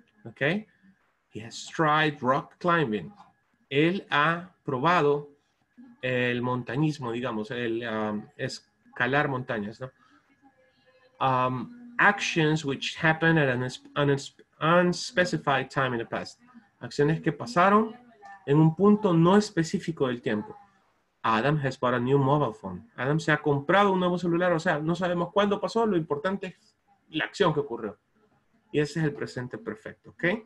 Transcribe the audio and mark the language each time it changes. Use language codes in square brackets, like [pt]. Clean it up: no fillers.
[en] Okay. He has tried rock climbing. [es] Él ha probado el montañismo, digamos, el escalar montañas, ¿no? [en] Actions which happened at an unspecified time in the past. [es] Acciones que pasaron en un punto no específico del tiempo. [en] Adam has bought a new mobile phone. [es] Adam se ha comprado un nuevo celular, o sea, no sabemos cuándo pasó, lo importante es la acción que ocurrió. Y ese es el presente perfecto, ¿ok?